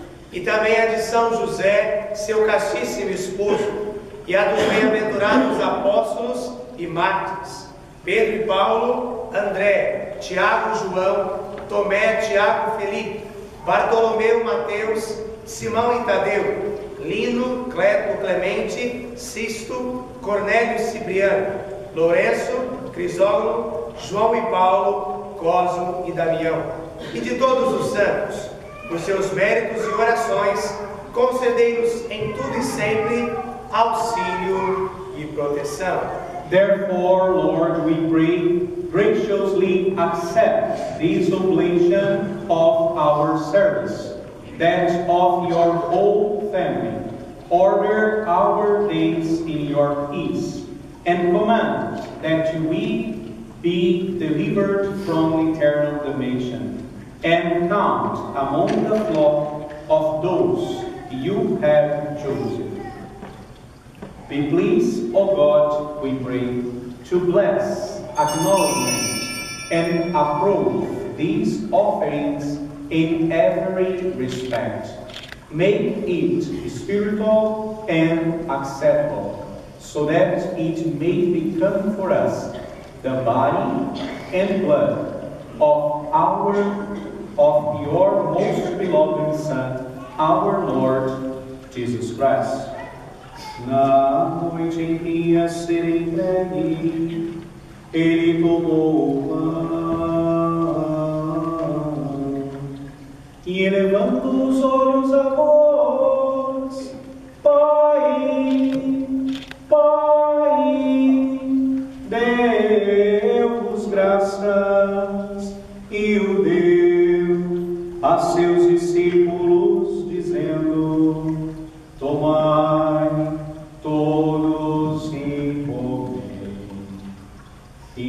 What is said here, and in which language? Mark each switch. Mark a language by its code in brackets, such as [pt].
[pt] E também a de São José, seu castíssimo esposo, e a dos bem-aventurados apóstolos e mártires, Pedro e Paulo, André, Tiago e João, Tomé, Tiago e Felipe, Bartolomeu, Mateus, Simão e Tadeu, Lino, Cleto, Clemente, Sisto, Cornélio e Cipriano, Lourenço, Crisólogo, João e Paulo, Cosmo e Damião, e de todos os santos, por seus méritos e orações, concedei-nos em tudo e sempre auxílio e proteção. [en] Therefore, Lord, we pray, graciously accept this oblation of our service, that of your whole family, order our days in your peace, and command that we be delivered from eternal damnation, and count among the flock of those you have chosen. Be pleased, O God, we pray, to bless, acknowledge, and approve these offerings in every respect. Make it spiritual and acceptable, so that it may become for us the body and blood of your most beloved Son, our Lord Jesus Christ. [pt] Na noite em que a ser entregue, ele tomou o pão e, elevando os olhos a vós, Pai, Pai, deu-vos graças e o deu a seus discípulos, dizendo: Tomai todos e comem.